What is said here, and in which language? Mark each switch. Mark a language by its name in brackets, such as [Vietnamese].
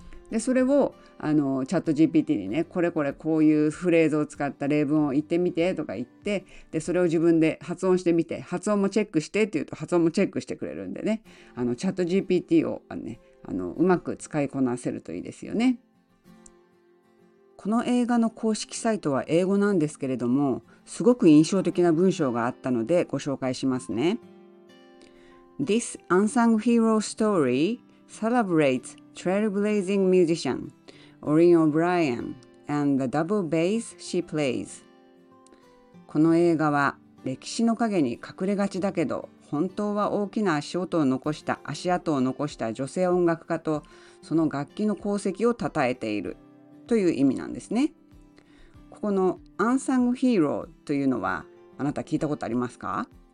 [Japanese] で、それをチャット GPT にね、これこれこういうフレーズを使った例文を言ってみてとか言って、で、それを自分で発音してみて、発音もチェックしてって言うと発音もチェックしてくれるんでね、チャット GPT をうまく使いこなせるといいですよね。この映画の公式サイトは英語なんですけれども、すごく印象的な文章があったのでご紹介しますね。 [English] This unsung hero story celebrates trailblazing musician Orin O'Brien and the double bass she plays. [Japanese] この映画は歴史の陰に隠れがちだけど本当は大きな足跡を残した女性音楽家とその楽器の功績を称えているという意味なんですね。ここのアンサングヒーローというのはあなた聞いたことありますか？